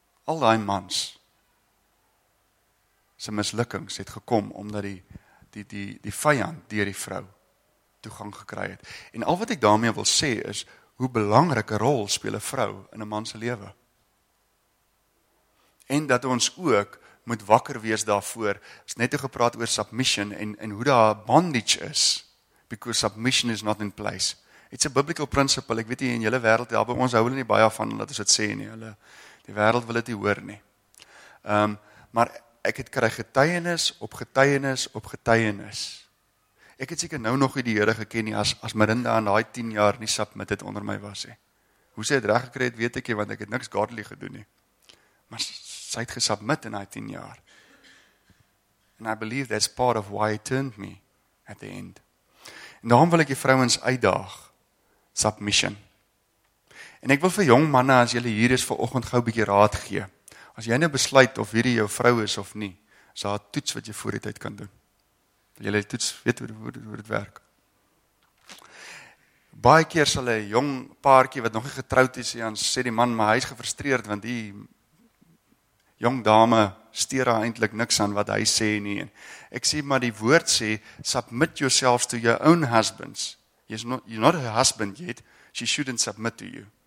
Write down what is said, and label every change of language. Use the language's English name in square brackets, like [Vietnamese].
[Afrikaans] Al die mans, sy mislukkings het gekom, omdat die vijand deur die vrou toegang gekry het. En al wat ek daarmee wil sê is, hoe belangrike rol speel 'n vrou in 'n manse lewe. En dat ons ook moet wakker wees daarvoor. Ons het net gepraat oor submission en hoe daar bondage is, [English] because submission is not in place. It's a biblical principle, [Afrikaans] ek weet nie, in julle wereld, daar by ons hou hulle nie baie van, dat ons het sê nie, hulle, die wereld wil het nie hoor nie. Maar ek het kry getuienis op getuienis op getuienis. Ek het seker nou nog nie die Here geken nie as Marinda aan daai 10 jaar nie submitted onder my was nie. Hoe sy het reg gekry het, weet ek nie, want ek het niks godly gedoen nie. Maar sy het gesubmit in daai 10 jaar. [English] And I believe that's part of why it turned me at the end. [Afrikaans] En daarom wil ek die vrouens uitdaag. Submission. En ek wil vir jong manne, as julle hier is, vanoggend gou 'n bietjie raad gee. As jy nou besluit of hierdie jou vrou is of nie, is daar 'n toets wat jy voor die tyd kan doen. Julle het toets, weet hoe dit werk. Baie keer sal 'n jong paartjie wat nog nie getroud is, sê die man, maar hy is gefrustreerd, want die jong dame steer haar eintlik niks aan wat hy sê nie. Ek sê, maar die woord sê, [English] submit yourselves to your own husbands. You're not her husband yet, she shouldn't submit to you.